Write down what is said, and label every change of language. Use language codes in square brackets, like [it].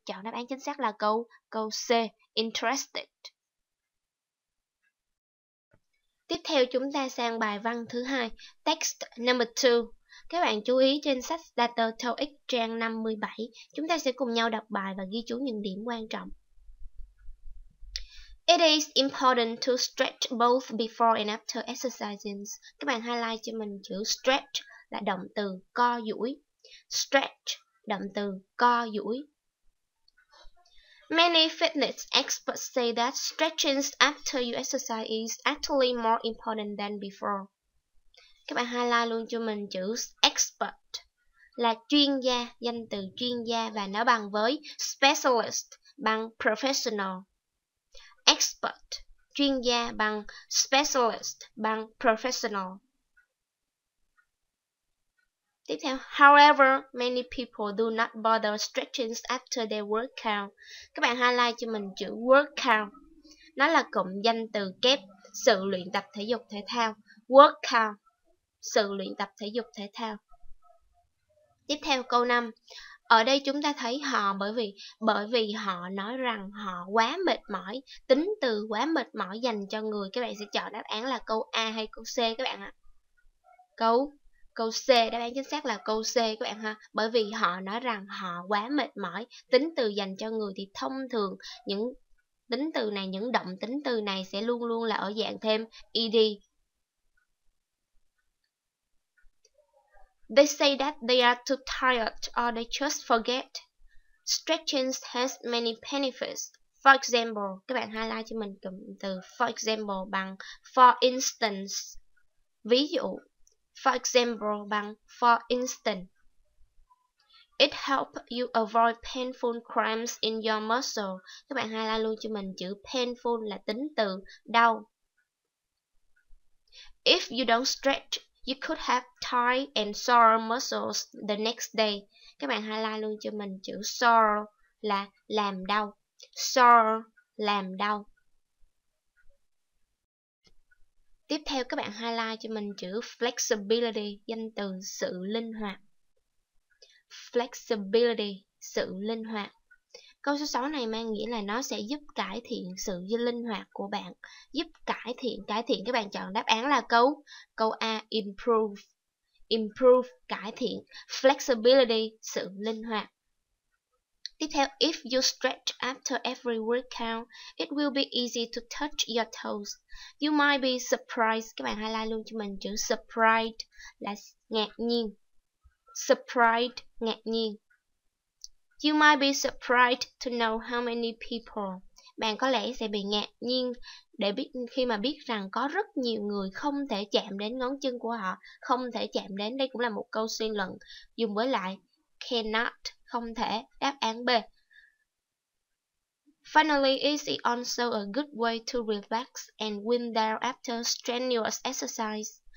[vi] Chọn đáp án chính xác là câu C, interested. Tiếp theo chúng ta sang bài văn thứ hai, text number 2. Các bạn chú ý trên sách Data TOEIC trang 57, chúng ta sẽ cùng nhau đọc bài và ghi chú những điểm quan trọng. [en] It is important to stretch both before and after exercises. [vi] Các bạn highlight cho mình chữ stretch là động từ co duỗi. Stretch, động từ co duỗi. [en] Many fitness experts say that stretching after you exercise is actually more important than before. [vi] Các bạn highlight luôn cho mình chữ expert là chuyên gia, danh từ chuyên gia và nó bằng với specialist bằng professional. Expert, chuyên gia bằng specialist bằng professional. Tiếp theo, [en] however, many people do not bother stretching after they work out. [vi] Các bạn highlight cho mình chữ work out. Nó là cụm danh từ kép sự luyện tập thể dục thể thao. Work out, sự luyện tập thể dục thể thao. Tiếp theo câu 5. Ở đây chúng ta thấy họ bởi vì họ nói rằng họ quá mệt mỏi. Tính từ quá mệt mỏi dành cho người, các bạn sẽ chọn đáp án là câu A hay câu C các bạn ạ. Câu C, đáp án chính xác là câu C các bạn ha. Bởi vì họ nói rằng họ quá mệt mỏi. Tính từ dành cho người thì thông thường những tính từ này, những động tính từ này sẽ luôn luôn là ở dạng thêm ed. [en] They say that they are too tired or they just forget. Stretching has many benefits. [vi] For example, các bạn highlight cho mình cụm từ for example bằng for instance. Ví dụ, for example bằng for instance. [en] It helps you avoid painful cramps in your muscle. [vi] Các bạn highlight luôn cho mình chữ painful là tính từ đau. [en] If you don't stretch, you could have tight and sore muscles the next day. [vi] Các bạn highlight luôn cho mình chữ sore là làm đau. Sore, làm đau. Tiếp theo các bạn highlight cho mình chữ flexibility, danh từ sự linh hoạt. Flexibility, sự linh hoạt. Câu số 6 này mang nghĩa là nó sẽ giúp cải thiện sự linh hoạt của bạn. Giúp cải thiện, các bạn chọn đáp án là câu A, improve. Improve, cải thiện. Flexibility, sự linh hoạt. Tiếp theo, [en] if you stretch after every workout, it will be easy to touch your toes. You might be surprised. [vi] Các bạn highlight luôn cho mình chữ surprise là ngạc nhiên. Surprise, ngạc nhiên. [en] You might be surprised to know how many people. [vi] Bạn có lẽ sẽ bị ngạc nhiên để biết khi mà biết rằng có rất nhiều người không thể chạm đến ngón chân của họ, không thể chạm đến. Đây cũng là một câu suy luận dùng với lại cannot, không thể. Đáp án B. [en] Finally, is it also a good way to relax and wind down after strenuous exercise?